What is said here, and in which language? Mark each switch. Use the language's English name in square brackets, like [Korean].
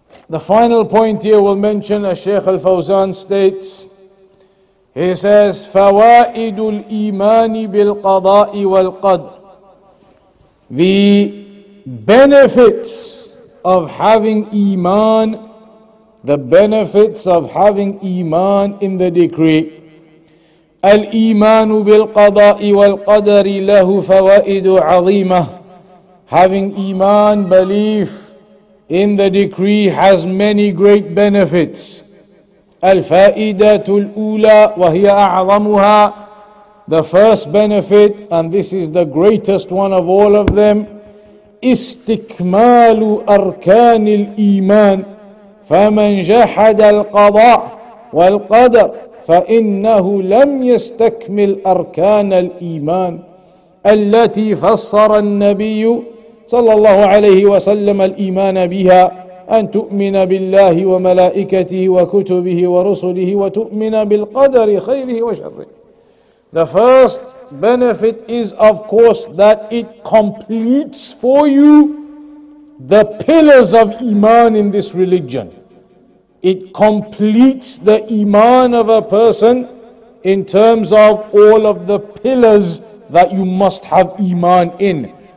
[English] The final point here we'll mention, as Shaykh Al-Fawzan states, he says, [Arabic] فَوَائِدُ الْإِيمَانِ بِالْقَضَاءِ وَالْقَدْرِ. [English] The benefits of having iman, the benefits of having iman in the decree. [Arabic] الإيمان بالقضاء والقدر له فوائد عظيمة. [English] Having iman, belief in the decree, has many great benefits. [Arabic] الفائدة الأولى وهي أعظمها. [English] The first benefit, and this is the greatest one of all of them, [Arabic] استكمال أركان الإيمان. فمن جحد القضاء والقدر فَإِنَّهُ لَمْ يَسْتَكْمِلْ أَرْكَانَ الْإِيمَانِ. التي فسر النبي صلى الله عليه وسلم الإيمان بها أن تؤمن بالله وملائكته وكتبه ورسله وتؤمن بالقدر خيره وشره. [English] The first benefit is of course that it completes for you the pillars of Iman in this religion. It completes the Iman of a person in terms of all of the pillars that you must have Iman in.